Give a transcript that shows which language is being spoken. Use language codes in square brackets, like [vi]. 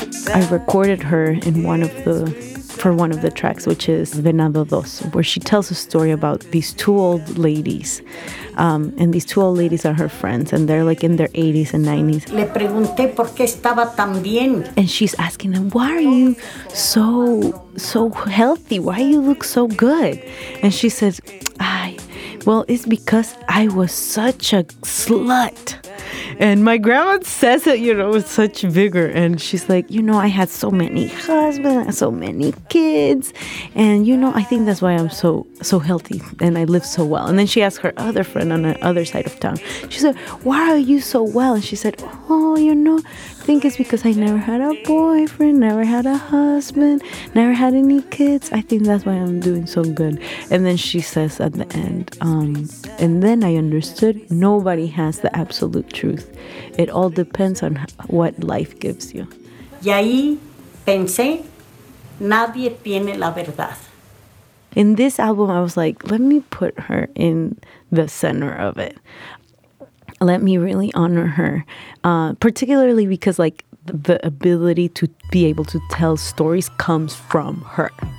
[en] I recorded her for one of the tracks, which is Venado Dos, where she tells a story about these two old ladies. And these two old ladies are her friends, and they're like in their 80s and 90s. [es] Le pregunté por qué estaba tan bien. [en] And she's asking them, why are you so, so healthy? Why do you look so good? And she says, it's because I was such a slut. And my grandma says it, you know, with such vigor. And she's like, you know, I had so many husbands, so many kids. And, you know, I think that's why I'm so, so healthy and I live so well. And then she asked her other friend on the other side of town. She said, why are you so well? And she said, oh, you know, I think it's because I never had a boyfriend, never had a husband, never had any kids. I think that's why I'm doing so good. And then she says at the end, and then I understood nobody has the absolute truth. It all depends on what life gives you. [es] Y ahí pensé, nadie tiene la verdad. [en] In this album, I was like, let me put her in the center of it. Let me really honor her, particularly because, like, the ability to be able to tell stories comes from her.